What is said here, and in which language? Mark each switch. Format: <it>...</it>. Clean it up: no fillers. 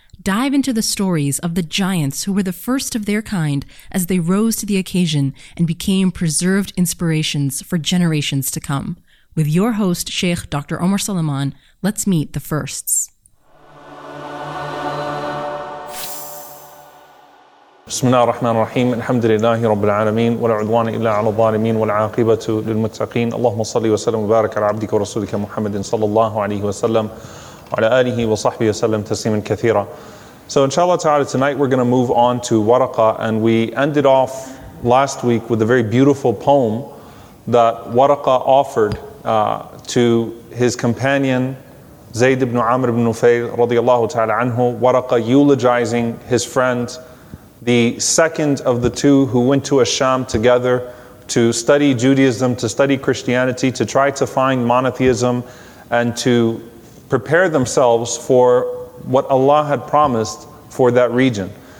<en>Dive into the stories of the giants who were the first of their kind as they rose to the occasion and became preserved inspirations for generations to come. With your host, Sheikh Dr. Omar Suleiman, let's meet The Firsts.</en> <ar>بسم الله الرحمن الرحيم الحمد لله رب العالمين ولا عدوان إلا على الظالمين والعاقبة للمتقين اللهم صل وسلم وبارك على عبدك ورسولك محمد صلى الله عليه وسلم وعلى آله وصحبه وسلم تسليما كثيرا.</ar> <en>So inshallah ta'ala, tonight we're going to move on to Waraqa, and we ended off last week with a very beautiful poem that Waraqa offered to his companion Zayd ibn Amr ibn Nufayl رضي الله تعالى عنه. Waraqa eulogizing his friend, the second of the two who went to Asham together to study Judaism, to study Christianity, to try to find monotheism and to prepare themselves for what Allah had promised for that region.</en>